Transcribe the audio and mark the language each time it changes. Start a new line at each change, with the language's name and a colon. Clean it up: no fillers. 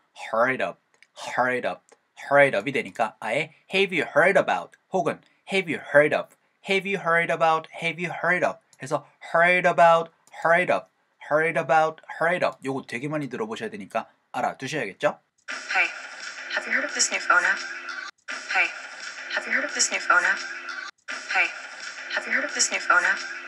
English: Heard of, heard of, heard of이
Korean: 되니까 아예
English: Have you heard about?
Korean: 혹은
English: Have you heard of? Have you heard about? Have you heard of? 해서 heard about, heard of, heard about, heard of.
Korean: 요거 되게 많이 들어보셔야 되니까 알아두셔야겠죠?
English: Hey, have you heard of this new phone app? Hey, have you heard of this new phone app? Hey, have you heard of this new phone app?